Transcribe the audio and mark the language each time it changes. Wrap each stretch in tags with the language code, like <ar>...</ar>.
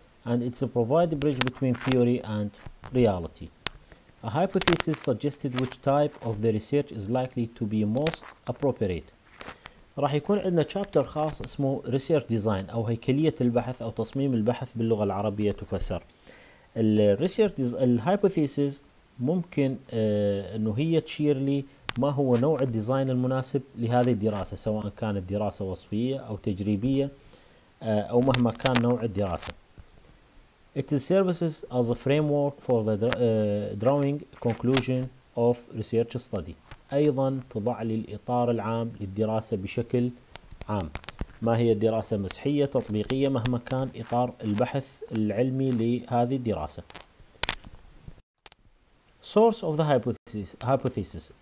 <en>And it's a provide bridge between theory and reality. A hypothesis suggested which type of the research is likely to be most appropriate.</en> <ar>راح يكون عندنا chapter خاص اسمه research design أو هيكلية البحث أو تصميم البحث باللغة العربية تفسر. الريسيرش الهايبوثيسيس ممكن انه هي تشير لي ما هو نوع الديزاين المناسب لهذه الدراسه، سواء كانت دراسه وصفيه او تجريبيه او مهما كان نوع الدراسه.</ar> <en>It serves as a framework for the drawing conclusion of research study.</en> <ar>ايضا تضع لي الاطار العام للدراسه بشكل عام. ما هي الدراسة مسحية تطبيقية مهما كان إطار البحث العلمي لهذه الدراسة.</ar> <en>Source of the hypothesis.</en>